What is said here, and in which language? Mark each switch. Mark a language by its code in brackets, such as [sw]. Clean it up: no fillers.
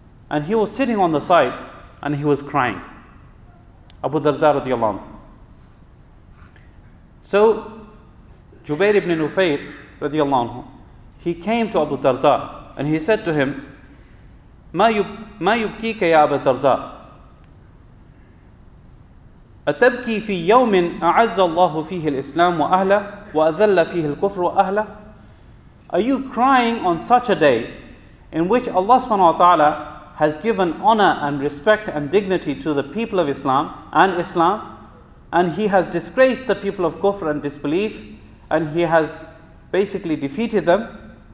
[en] And he was sitting on the side, and he was crying. Abu Darda radiallahu anhu. So, Jubair ibn Nufayr radiallahu anhu, he came to Abu Darda, and he said to him, [ar] ما يبكيك يا [en] Abu Darda? [ar] أتبكي في يوم أعز الله فيه الإسلام وأهله وأذل فيه الكفر وأهله. [en] Are you crying on such a day in which Allah subhanahu wa ta'ala has given honor and respect and dignity to the people of Islam and Islam, and He has disgraced the people of kufr and disbelief, and He has basically defeated them?